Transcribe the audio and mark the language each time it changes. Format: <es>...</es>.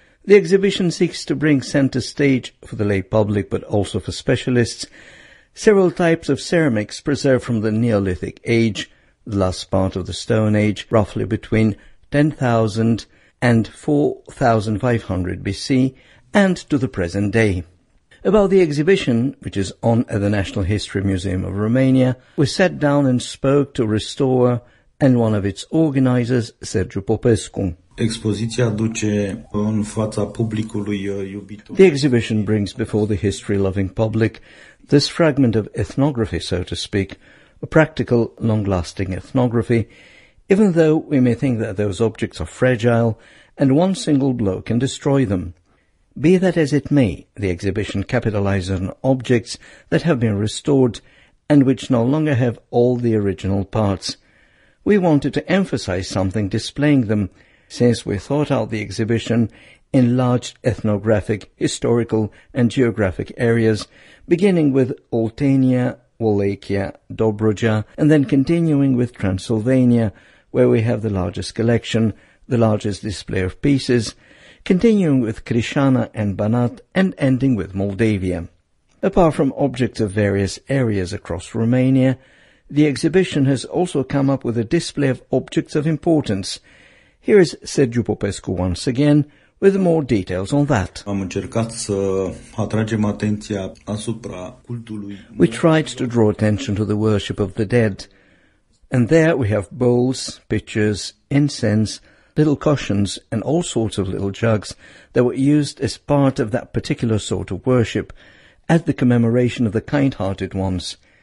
<en>The exhibition seeks to bring center stage for the lay public, but also for specialists, several types of ceramics preserved from the Neolithic Age, the last part of the Stone Age, roughly between 10,000 and 4,500 BC, and to the present day. About the exhibition, which is on at the National History Museum of Romania, we sat down and spoke to restorer and one of its organizers, Sergiu Popescu.</en> <ro>Expoziția aduce în fața publicului iubitor.</ro> <en>The exhibition brings before the history-loving public this fragment of ethnography, so to speak, a practical, long-lasting ethnography, even though we may think that those objects are fragile and one single blow can destroy them. Be that as it may, the exhibition capitalizes on objects that have been restored and which no longer have all the original parts. We wanted to emphasize something displaying them, since we thought out the exhibition in large ethnographic, historical and geographic areas, beginning with Oltenia, Wallachia, Dobruja, and then continuing with Transylvania, where we have the largest collection, the largest display of pieces, continuing with Krishana and Banat, and ending with Moldavia. Apart from objects of various areas across Romania, the exhibition has also come up with a display of objects of importance. Here is Sergiu Popescu once again with more details on that.</en> <ro>Am încercat să atragem atenția asupra cultului.</ro> <en>We tried to draw attention to the worship of the dead. And there we have bowls, pitchers, incense, little cushions and all sorts of little jugs that were used as part of that particular sort of worship at the commemoration of the kind-hearted ones.</en>